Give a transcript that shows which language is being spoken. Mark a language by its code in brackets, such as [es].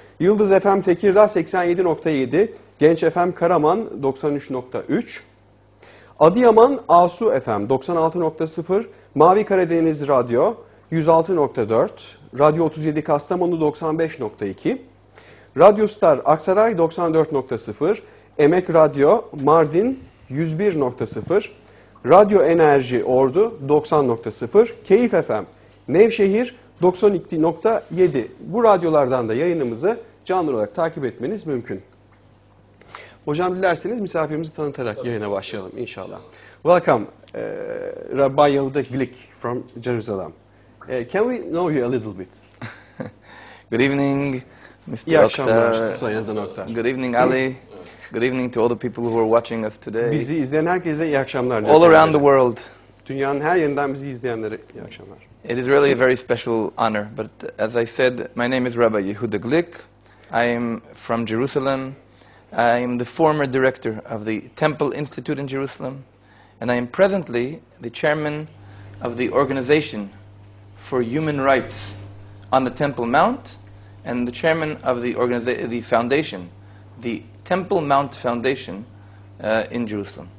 [tr] Yıldız FM Tekirdağ 87.7, Genç FM Karaman 93.3, Adıyaman Asu FM 96.0, Mavi Karadeniz Radyo 106.4, Radyo 37 Kastamonu 95.2, Radyo Star Aksaray 94.0, Emek Radyo Mardin 101.0, Radyo Enerji Ordu 90.0, Keyif FM Nevşehir 92.7. Bu radyolardan da yayınımızı canlı olarak takip etmeniz mümkün. Hocam dilerseniz misafirimizi tanıtarak yayına başlayalım inşallah. [en] Welcome, Rabbi Yehuda Glick from Jerusalem. Can we know you a little bit? Good evening, Mr. [tr] Akşamlar, Sayın Adnan Oktar. [en] Good evening, Ali. Good evening to all the people who are watching us today. [tr] Bizi izleyen herkese iyi akşamlar. [en] All [tr] diyorum. [en] Around the world. [tr] Dünyanın her yerinden bizi izleyenlere iyi akşamlar. [en] It is really a very special honor, but as I said, my name is Rabbi Yehuda Glick. I am from Jerusalem. I am the former director of the Temple Institute in Jerusalem, and I am presently the chairman of the Organization for Human Rights on the Temple Mount, and the chairman of the foundation, the Temple Mount Foundation in Jerusalem.